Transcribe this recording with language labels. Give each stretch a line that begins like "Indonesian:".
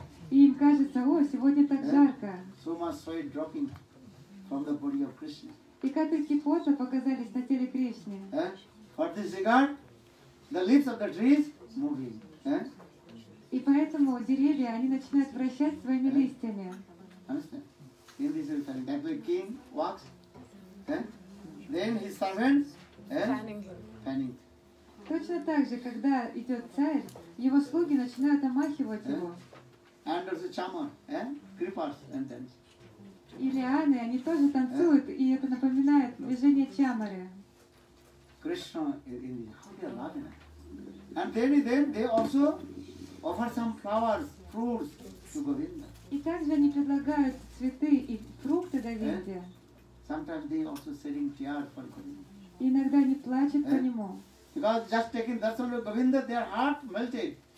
Russian: И им кажется, о, сегодня так жарко.
English: So much sweat dropping from the body of Krishna.
Russian: И капельки пота показались на теле Кришны.
English: What is regard? The leaves of the trees moving.
Russian: И поэтому деревья, они начинают вращать своими листьями.
English: In this is the king walks. Then his servants. Fanning.
Russian: Точно так же, когда идет царь, его слуги начинают омахивать его.
English: And also chamar, creepers and dance.
Russian: И лианы, они тоже танцуют, и это напоминает движение чамары.
English: Krishna is in Lavana. And then they also offer some flowers, fruits to Govinda.
Russian: И также они предлагают цветы и фрукты Говинде.
English: Sometimes they also shedding tears for Govinda.
Russian: Иногда они плачут по нему.
English: Because just taking darshan of Govinda, their heart melted.